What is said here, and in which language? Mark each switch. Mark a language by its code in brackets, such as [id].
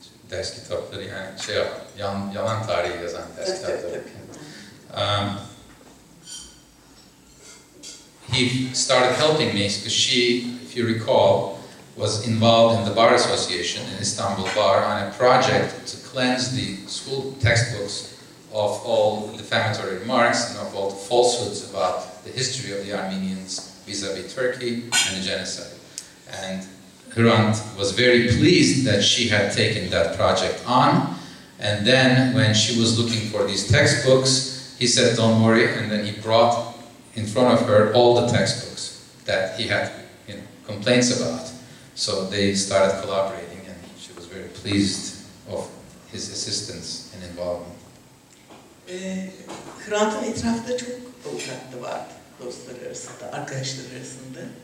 [tr] Ders kitapları yani şey yalan tarihi yazan ders kitapları. [en] He started helping me because she, if you recall, was involved in the Bar Association in Istanbul Bar on a project to cleanse the school textbooks of all defamatory remarks and of all the falsehoods about the history of the Armenians vis-a-vis Turkey and the genocide. And Hrant was very pleased that she had taken that project on, and then when she was looking for these textbooks, he said, "Don't worry," and then he brought in front of her all the textbooks that he had, you know, complaints about. So they started collaborating, and she was very pleased of his assistance and involvement. [tr] Hrant'ın etrafında çok avukatı vardı, dostları arasında, arkadaşları arasında.